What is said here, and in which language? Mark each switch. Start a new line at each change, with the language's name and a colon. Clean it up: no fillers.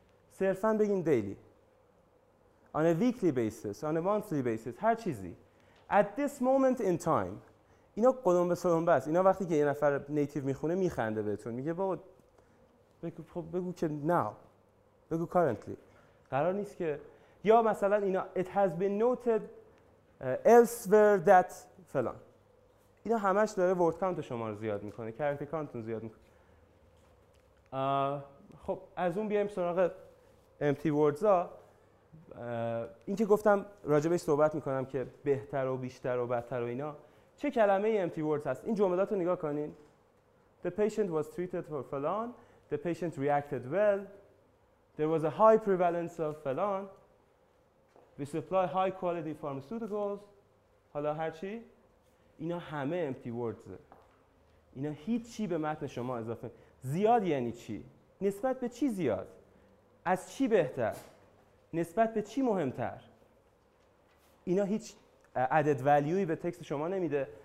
Persian: صرفاً بگین دیلی.
English: On a weekly basis, on a monthly basis،
Persian: هر چیزی.
English: at this moment in time.
Persian: اینا قدوم به سلومبه است. اینا وقتی که یه نفر نیتیو میخونه میخنده بهتون. میگه بابا بگو که now. بگو currently. قرار نیست که. یا مثلا اینا
English: it has been noted elsewhere that فلان.
Persian: اینا همش داره word count شما رو زیاد میکنه. character countتون زیاد میکنه. خب از اون بیایم سراغ
English: empty words
Persian: ها. این که گفتم راجبش صحبت میکنم که بهتر و بیشتر و بدتر و اینا. چه کلمه ای empty words هست؟ این جملات رو نگاه کنین.
English: The patient was treated for فلان. The patient reacted well. There was a high prevalence of فلان. We supply high quality pharmaceuticals.
Persian: حالا هرچی؟ اینا همه empty words هست. اینا هیچی به متن شما اضافه. زیاد یعنی چی؟ نسبت به چی زیاد؟ از چی بهتر؟ نسبت به چی مهمتر؟ اینا هیچ added value به تکست شما نمیده.